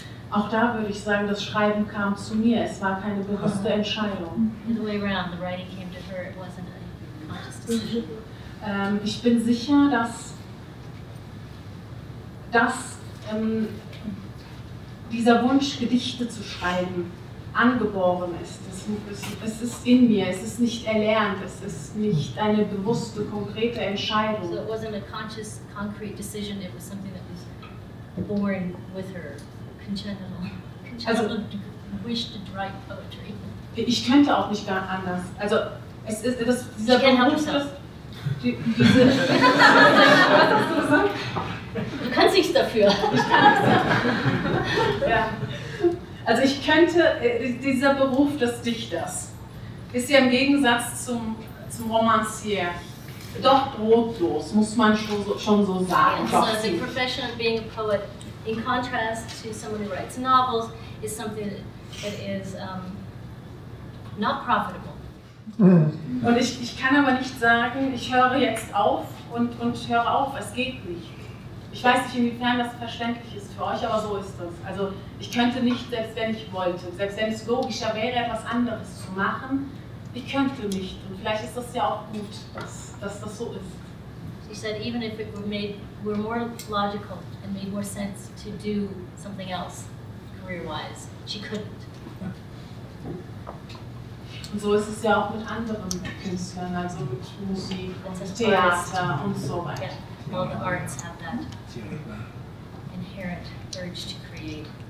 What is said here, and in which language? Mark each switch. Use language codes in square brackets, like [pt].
[de] Auch da würde ich sagen, das Schreiben kam zu mir. Es war keine bewusste Entscheidung. [en] The way around, the writing came to her. It wasn't a conscious decision. [de] Ich bin sicher, dass das dieser Wunsch, Gedichte zu schreiben, angeboren ist. Es ist in mir, es ist nicht erlernt, es ist nicht eine bewusste, konkrete Entscheidung. [en] So it wasn't a conscious, concrete decision, it was something that was born with her, congenital wish to write poetry. [de] Ich könnte auch nicht gar anders. Also, es ist das, dieser Wunsch, was hast du gesagt? Du kannst nichts dafür. Ja. Also ich könnte, dieser Beruf des Dichters ist ja im Gegensatz zum Romancier doch brotlos, muss man schon so sagen. [en] Yeah, so the profession of being a poet, in contrast to someone who writes novels, is something that is not profitable. [de] Und ich kann aber nicht sagen, ich höre jetzt auf und höre auf, es geht nicht. Ich weiß nicht, inwiefern das verständlich ist für euch, aber so ist das. Also ich könnte nicht, selbst wenn ich wollte, selbst wenn es logischer wäre, etwas anderes zu machen, ich könnte nicht. Und vielleicht ist das ja auch gut, dass das so ist. [en] She said, even if it were more logical and made more sense to do something else, career-wise, she couldn't. [de] Und so ist es ja auch mit anderen Künstlern, also mit Musik, Theater und so weiter. [en] Yeah. All the arts have that inherent urge to create.